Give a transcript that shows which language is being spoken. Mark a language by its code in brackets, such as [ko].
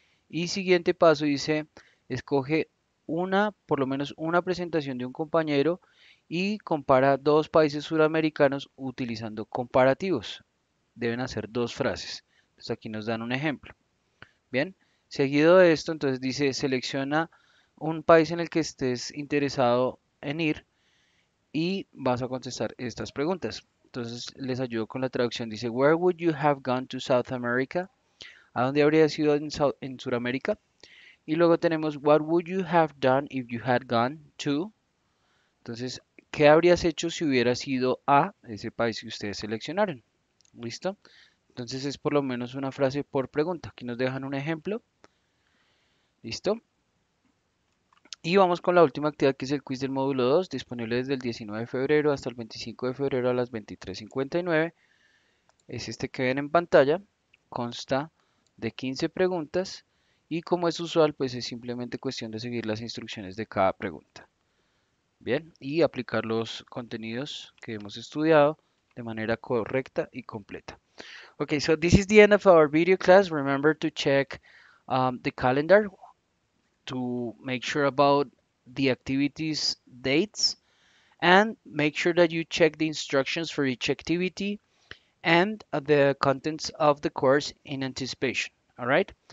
[es] Y siguiente paso dice, escoge por lo menos una presentación de un compañero y compara dos países suramericanos utilizando comparativos. Deben hacer dos frases. Entonces aquí nos dan un ejemplo. Bien, seguido de esto, entonces dice, selecciona un país en el que estés interesado en ir y vas a contestar estas preguntas. Entonces les ayudo con la traducción. [en] Dice, Where would you have gone to South America? [es] ¿A dónde habrías ido en Sudamérica? Y luego tenemos, [en] What would you have done if you had gone to? [es] Entonces, ¿qué habrías hecho si hubieras ido a ese país que ustedes seleccionaron? ¿Listo? Entonces es por lo menos una frase por pregunta. Aquí nos dejan un ejemplo. ¿Listo? Y vamos con la última actividad que es el quiz del módulo 2, disponible desde el 19 de febrero hasta el 25 de febrero a las 23:59. Es este que ven en pantalla. Consta de 15 preguntas y como es usual, pues es simplemente cuestión de seguir las instrucciones de cada pregunta. Bien, y aplicar los contenidos que hemos estudiado de manera correcta y completa. [en] Okay, so this is the end of our video class. Remember to check the calendar to make sure about the activities dates and make sure that you check the instructions for each activity and the contents of the course in anticipation. All right?